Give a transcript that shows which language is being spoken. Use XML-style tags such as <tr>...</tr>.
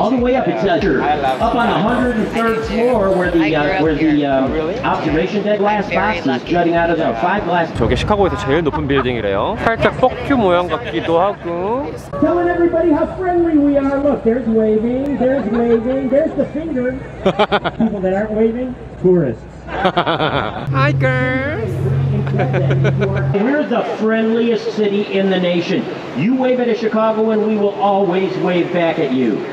<en>All the way up, it's up on the 103rd floor where the observation deck glass box is jutting out of the five glass.</en> <ko>저게 시카고에서 제일 높은 빌딩이래요. 살짝 퍽큐 모양 같기도 하고.</ko> <en>Telling everybody how friendly we are. Look, there's waving, there's waving, there's the finger. People that aren't waving, tourists. Hi, girls. We're the friendliest city in the nation. You wave at a Chicagoan, we will always wave back at you.</en>